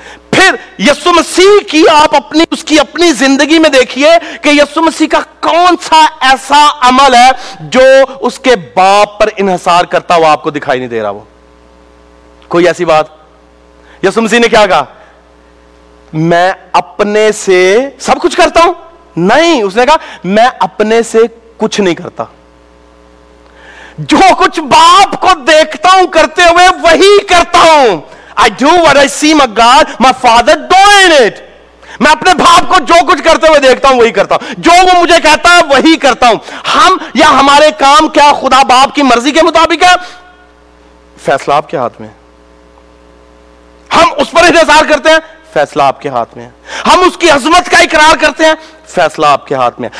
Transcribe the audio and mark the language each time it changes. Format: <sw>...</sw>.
<ur>پھر یسوع مسیح کی آپ اپنی, اس کی اپنی زندگی میں دیکھیے کہ یسوع مسیح کا کون سا ایسا عمل ہے جو اس کے باپ پر انحصار کرتا ہوا آپ کو دکھائی نہیں دے رہا. وہ کوئی ایسی بات؟ یسوع مسیح نے کیا کہا؟ میں اپنے سے سب کچھ کرتا ہوں. نہیں, اس نے کہا میں اپنے سے کچھ نہیں کرتا, جو کچھ باپ کو دیکھتا ہوں کرتے ہوئے وہی کرتا ہوں.</ur> <en>I do what I see my God, my father doing it.</en> <ur>میں اپنے باپ کو جو کچھ کرتے ہوئے دیکھتا ہوں وہی کرتا ہوں, جو وہ مجھے کہتا ہے وہی کرتا ہوں. ہم یا ہمارے کام کیا خدا باپ کی مرضی کے مطابق ہے؟ فیصلہ آپ کے ہاتھ میں. ہم اس پر انحصار کرتے ہیں, فیصلہ آپ کے ہاتھ میں. ہم اس کی عظمت کا اقرار کرتے ہیں, فیصلہ آپ کے ہاتھ میں.</ur>